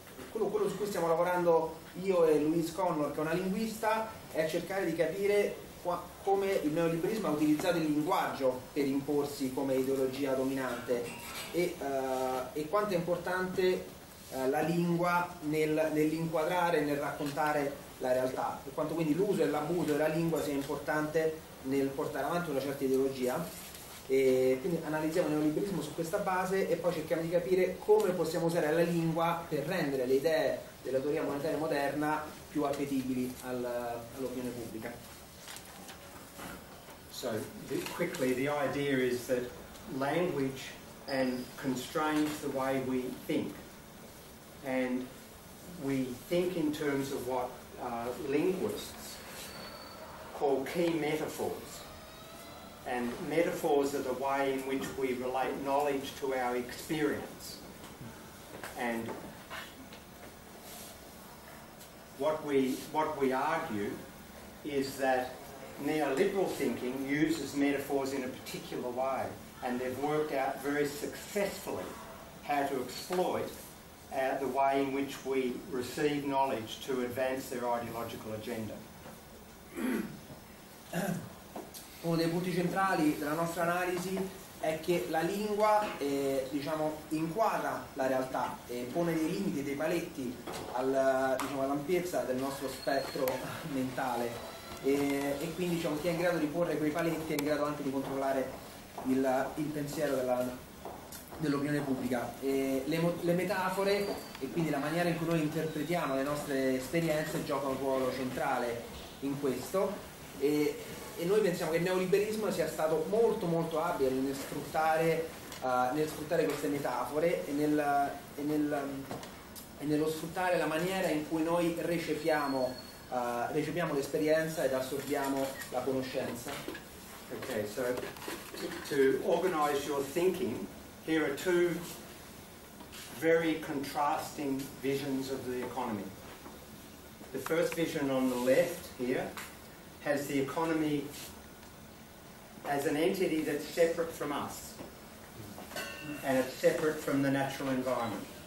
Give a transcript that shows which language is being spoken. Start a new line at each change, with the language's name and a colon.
Italian: Quello su cui stiamo lavorando io e Louise Connor, che è una linguista, è cercare di capire come il neoliberismo ha utilizzato il linguaggio per imporsi come ideologia dominante e quanto è importante la lingua nell'inquadrare, nel raccontare la realtà, per quanto quindi l'uso e l'abuso della lingua sia importante nel portare avanti una certa ideologia. E quindi analizziamo il neoliberismo su questa base e poi cerchiamo di capire come possiamo usare la lingua per rendere le idee della teoria monetaria moderna più appetibili all'opinione pubblica.
English: So, quickly, the idea is that language and constrains the way we think. And we think in terms of what linguists call key metaphors. And metaphors are the way in which we relate knowledge to our experience. And what we argue is that neoliberal thinking uses metaphors in a particular way, and they've worked out very successfully how to exploit the way in which we receive knowledge to advance their ideological agenda.
Italian: Uno dei punti centrali della nostra analisi è che la lingua inquadra la realtà e pone dei limiti, dei paletti all'ampiezza del nostro spettro mentale e quindi chi è in grado di porre quei paletti è in grado anche di controllare il pensiero dell'opinione pubblica. Le metafore e quindi la maniera in cui noi interpretiamo le nostre esperienze gioca un ruolo centrale in questo e noi pensiamo che il neoliberismo sia stato molto molto abile nel sfruttare queste metafore e nello sfruttare la maniera in cui noi recepiamo l'esperienza ed assorbiamo la conoscenza.
English: Ok, so to organize your thinking, here are two very contrasting visions of the economy. The first vision on the left here has the economy as an entity that's separate from us, and it's separate from the natural environment.